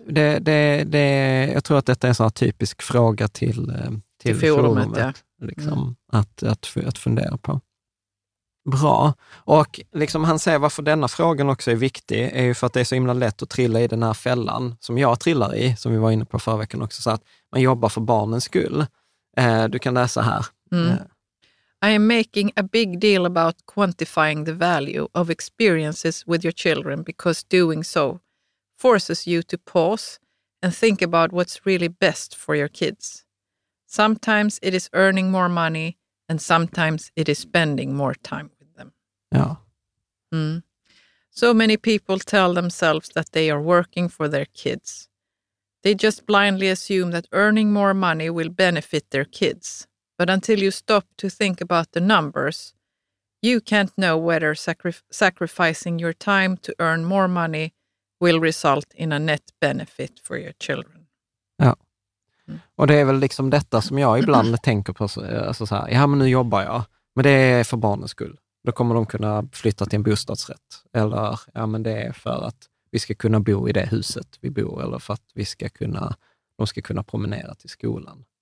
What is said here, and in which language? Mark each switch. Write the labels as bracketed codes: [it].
[sv] Det, jag tror att detta är en sån här typisk fråga till forumet liksom, att fundera på. Bra. Och liksom han säger varför denna frågan också är viktig är ju för att det är så himla lätt att trilla i den här fällan som jag trillar i, som vi var inne på förra veckan också, så att man jobbar för barnens skull. Du kan läsa här. Mm. [en] I am making a big deal about quantifying the value of experiences with your children because doing so forces you to pause and think about what's really best for your kids. Sometimes it is earning more money. And sometimes it is spending more time with them. [sv] Ja. Mm. [en] So many people tell themselves that they are working for their kids. They just blindly assume that earning more money will benefit their kids. But until you stop to think about the numbers, you can't know whether sacrificing your time to earn more money will result in a net benefit for your children. [sv] Ja. Och det är väl liksom detta som jag ibland tänker på, alltså så här, ja men nu jobbar jag, men det är för barnens skull. Då kommer de kunna flytta till en bostadsrätt, eller ja men det är för att vi ska kunna bo i det huset vi bor, eller för att vi ska kunna, de ska kunna promenera till skolan.